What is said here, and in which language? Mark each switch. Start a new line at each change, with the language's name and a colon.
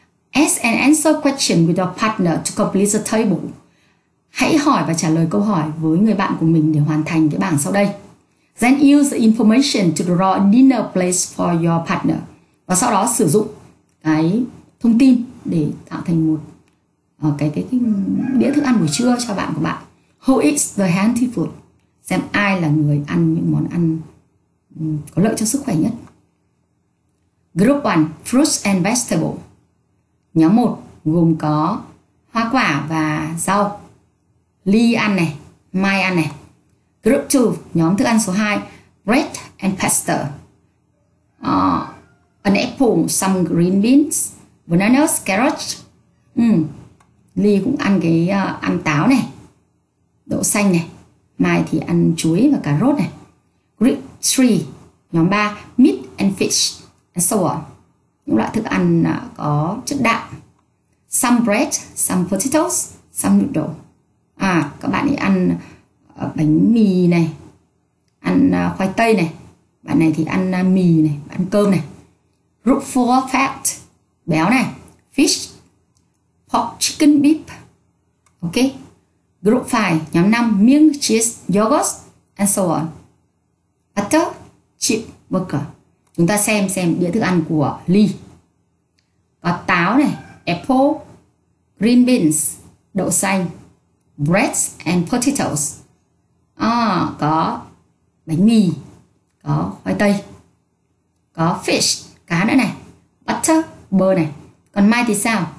English: Ask and answer question with your partner to complete the table.
Vietnamese: Hãy hỏi và trả lời câu hỏi với người bạn của mình để hoàn thành cái bảng sau đây.
English: Then use the information to draw a dinner place for your partner.
Vietnamese: Và sau đó sử dụng cái thông tin để tạo thành một cái đĩa thức ăn buổi trưa cho bạn của bạn.
English: Who eats the healthy food?
Vietnamese: Xem ai là người ăn những món ăn có lợi cho sức khỏe nhất.
English: Group 1, fruits and vegetables.
Vietnamese: Nhóm 1 gồm có hoa quả và rau. Ly ăn này, mai ăn này.
English: Group 2,
Vietnamese: nhóm thức ăn số 2,
English: bread and pasta. An apple, some green beans, bananas, carrots.
Vietnamese: Ly cũng ăn cái ăn táo này, đậu xanh này. Mai thì ăn chuối và cà rốt này.
English: Group 3,
Vietnamese: nhóm 3,
English: meat and fish and so on.
Vietnamese: Những loại thức ăn có chất đạm.
English: Some bread, some potatoes, some noodle.
Vietnamese: Các bạn ấy ăn bánh mì này, ăn khoai tây này. Bạn này thì ăn mì này, ăn cơm này.
English: Group 4, fat,
Vietnamese: béo này.
English: Fish, pork, chicken, beef. Ok. Group 5,
Vietnamese: nhóm 5,
English: milk, cheese, yogurt, and so on. Butter, chip, burger.
Vietnamese: Chúng ta xem đĩa thức ăn của Lee. Có táo này,
English: apple, green beans,
Vietnamese: đậu xanh,
English: bread and potatoes.
Vietnamese: Có bánh mì, có khoai tây, có fish, cá nữa này, butter, bơ này. Còn Mai thì sao?